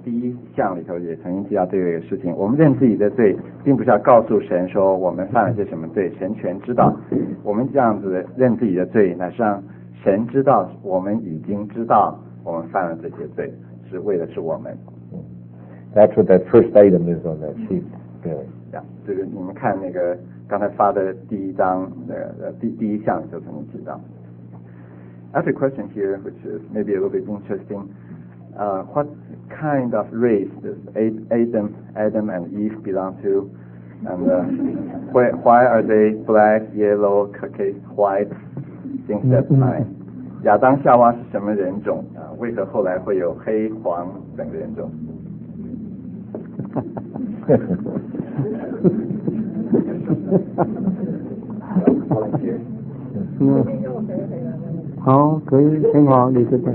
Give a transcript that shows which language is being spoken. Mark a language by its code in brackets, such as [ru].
[zh] 在我们刚才发的那张纸上的第一项里头也曾经提到这个事情，我们认自己的罪，并不是要告诉神说我们犯了些什么罪，神全知道。我们这样子认自己的罪，乃是让神知道我们已经知道我们犯了这些罪，是为的是我们。 [en] That's what that first item is on that sheet. [zh] 对，这个你们看那个刚才发的第一张第一项就曾经提到。 [en] I have a question here, which is maybe a little bit interesting. What kind of race does Adam and Eve belong to? And why are they black, yellow, Caucasian, white, things that kind? [zh] 亚当夏娃是什么人种？为何后来会有黑黄等人种？好，可以，挺好，你这边。